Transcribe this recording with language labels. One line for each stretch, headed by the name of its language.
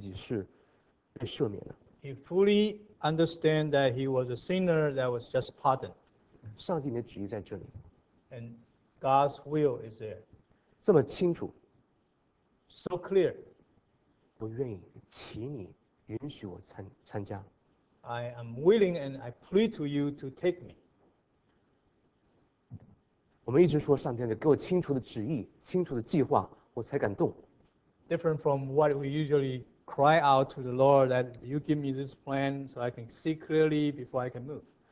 Chinese: 他说，他知道我是罪人，他自己知道我自己是被赦免的。
English: He fully understand that he was a sinner that was just pardoned.
Chinese: 上帝的旨意在这里。
English: And God's will is there.
Chinese: 这么清楚。
English: So clear.
Chinese: 我愿意，请你。允许我参加。
English: I am willing and I plead to you to take me.
Chinese: 我们一直说上天的，给我清楚的旨意，清楚的计划，我才敢动。
English: Different from what we usually cry out to the Lord that you give me this plan so I can see clearly before I can move.